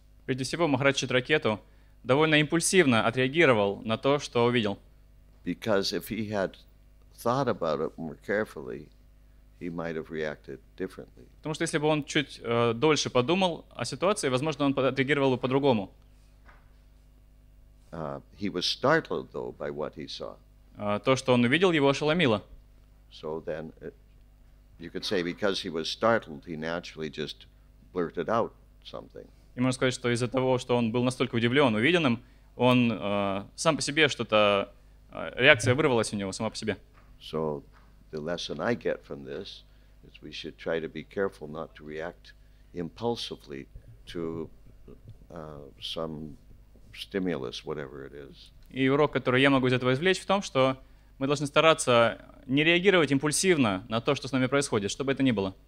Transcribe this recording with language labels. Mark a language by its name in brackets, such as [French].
[Russian] Прежде всего, Махарадж Читракету довольно импульсивно отреагировал на то, что увидел. [English] Because if he had thought about it more carefully, he might have reacted differently. [Russian] Потому что если бы он чуть дольше подумал о ситуации, возможно, он отреагировал бы по-другому. [English] He was startled, though, by what he saw. [Russian] То, что он увидел, его ошеломило. [English] So then, you could say, because he was startled, he naturally just blurted out something. [Russian] И можно сказать, что из-за того, что он был настолько удивлен увиденным, он сам по себе что-то, реакция вырвалась у него сама по себе. [English] So, the lesson I get from this is we should try to be careful not to react impulsively to some stimulus, whatever it is. [Russian] И урок, который я могу из этого извлечь, в том, что мы должны стараться не реагировать импульсивно на то, что с нами происходит, что бы это ни было.